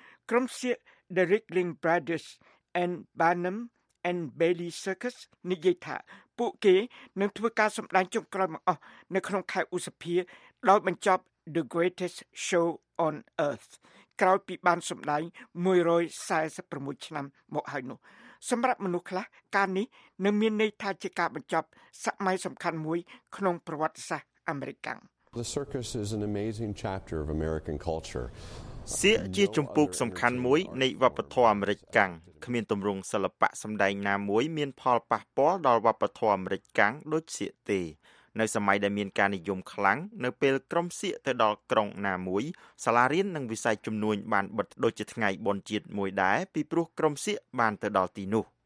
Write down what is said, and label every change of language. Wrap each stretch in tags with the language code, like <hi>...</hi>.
<km>ក្រុមសៀក Derek Ling Brothers and Barnum and Bailey Circus និយាយថាពួកគេនឹងធ្វើការសម្ដែងចុងក្រោយមកអស់នៅក្នុងខែឧសភាដោយបញ្ចប់ The Greatest Show on Earth ក្រោយពីបានសម្ដែង146ឆ្នាំមកហើយនោះសម្រាប់មនុស្សខ្លះការនេះនឹងមានន័យថាជាការបញ្ចប់សម័យសំខាន់មួយក្នុងប្រវត្តិសាស្ត្រអាមេរិក</km> <en>The circus is an amazing chapter of American culture.</en> <km>សៀកជាជំពូកសំខាន់មួយនៃវប្បធម៌អាមេរិកកាំងគ្មានទម្រង់សិល្បៈសម្ដែងណាមួយមានផលប៉ះពាល់ដល់វប្បធម៌អាមេរិកកាំងដូចសៀកទេនៅសម័យដែលមានការនិយមខ្លាំងនៅពេលក្រុមសៀកទៅដល់ក្រុងណាមួយសាលារៀននិងវិស័យជំនួញបានបិទដូចជាថ្ងៃបុណ្យជាតិមួយដែរពីព្រោះក្រុមសៀកបានទៅដល់ទីនោះ</km>